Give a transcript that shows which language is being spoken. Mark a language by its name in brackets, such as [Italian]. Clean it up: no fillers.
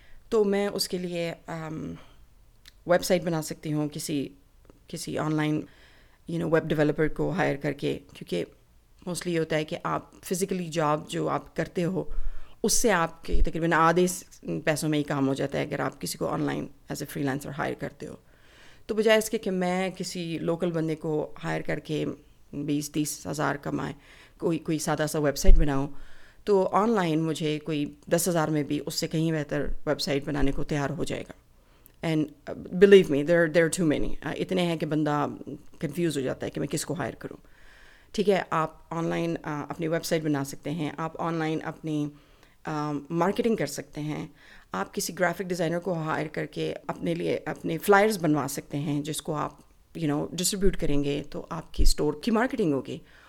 [Hindi] तो मैं उसके लिए वेबसाइट बना सकती हूँ, किसी online you know web developer को हायर करके, क्योंकि मोस्टली ये होता है कि आप फिज़िकली जॉब जो आप करते हो उससे आपके तकरीबन आधे पैसों में ही काम हो जाता है अगर आप किसी को online as a freelancer higher करते हो। तो बजाय इसके कि मैं किसी लोकल बंदे को हायर करके 20-30 हज़ार कमाएं, कोई सादा सा वेबसाइट बनाऊं, तो ऑनलाइन मुझे कोई 10 हज़ार में भी उससे कहीं बेहतर वेबसाइट बनाने को तैयार हो जाएगा। [English] And believe me, there are too many. [Hindi] इतने हैं कि बंदा confused हो जाता है कि मैं किसको हायर करूँ, ठीक है। आप ऑनलाइन अपनी वेबसाइट बना सकते हैं, आप ऑनलाइन अपनी मार्केटिंग कर सकते हैं, आप किसी ग्राफिक डिज़ाइनर को हायर करके अपने लिए अपने फ्लायर्स बनवा सकते हैं जिसको आप यू नो डिस्ट्रीब्यूट करेंगे तो आपकी स्टोर की मार्केटिंग होगी।